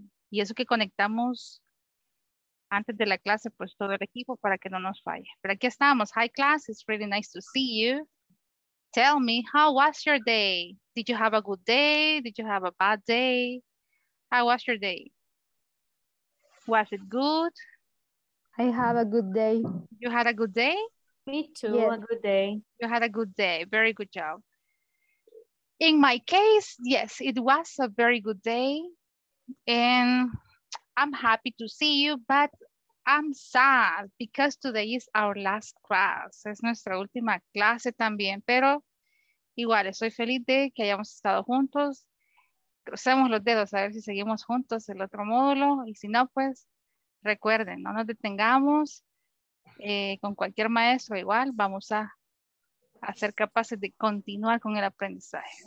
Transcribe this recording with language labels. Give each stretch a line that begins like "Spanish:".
Spanish: Y eso que conectamos antes de la clase, pues todo el equipo para que no nos falle. Pero aquí estamos.
English: Hi class, it's really nice to see you. Tell me, how was your day? Did you have a good day? Did you have a bad day? How was your day? Was it good? I have a good day. You had a good day? Me too, yes. A good day. You had a good day, very good job. In my case, yes, it was a very good day. And I'm happy to see you, but I'm sad because today is our last class.
Spanish: Es nuestra última clase también, pero igual, estoy feliz de que hayamos estado juntos. Crucemos los dedos a ver si seguimos juntos el otro módulo. Y si no, pues recuerden, no nos detengamos. Con cualquier maestro igual vamos a ser capaces de continuar con el aprendizaje.